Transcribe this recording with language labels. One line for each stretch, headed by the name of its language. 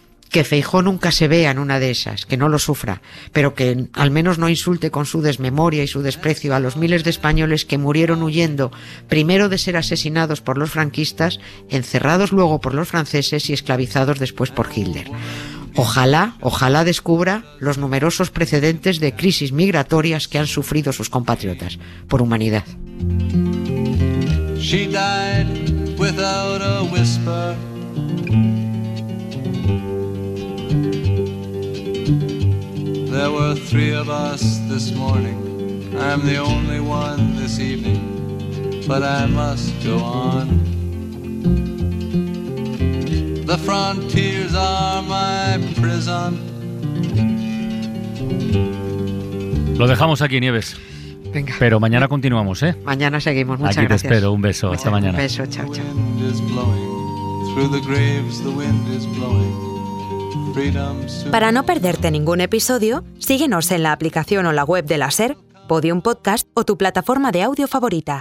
Spanish: Que Feijóo nunca se vea en una de esas, que no lo sufra, pero que al menos no insulte con su desmemoria y su desprecio a los miles de españoles que murieron huyendo, primero de ser asesinados por los franquistas, encerrados luego por los franceses y esclavizados después por Hitler. Ojalá descubra los numerosos precedentes de crisis migratorias que han sufrido sus compatriotas, por humanidad.
English: She died without a whisper. There were three of us this morning. I'm the only one this evening, but I must go on. The frontiers are my prison.
Spanish: Lo dejamos aquí, Nieves. Venga. Pero mañana continuamos, ¿eh? Mañana seguimos. Muchas aquí gracias. Aquí te espero. Un beso. Hasta mañana. Un beso. Chao, chao.
English: The wind is blowing through the graves, the wind is blowing.
Spanish: Para no perderte ningún episodio, síguenos en la aplicación o la web de la SER, Podium Podcast o tu plataforma de audio favorita.